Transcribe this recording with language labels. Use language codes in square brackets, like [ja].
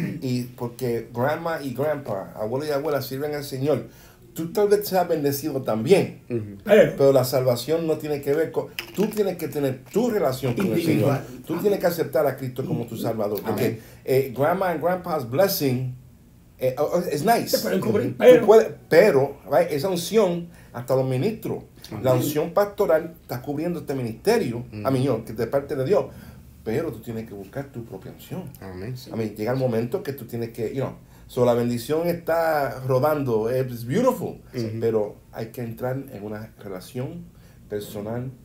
[es] Y porque grandma y grandpa, abuelo y abuela, sirven al Señor. Tú tal vez seas bendecido también, pero la salvación no tiene que ver con... Tú tienes que tener tu relación con el Señor. Tú tienes que aceptar a Cristo como tu salvador. [en] Porque grandma and grandpa's blessing is nice. [es] Pero, esa unción hasta los ministros. La unción pastoral está cubriendo este ministerio, que es de parte de Dios. Pero tú tienes que buscar tu propia unción. Llega el momento que tú tienes que... So la bendición está rodando, es beautiful, pero hay que entrar en una relación personal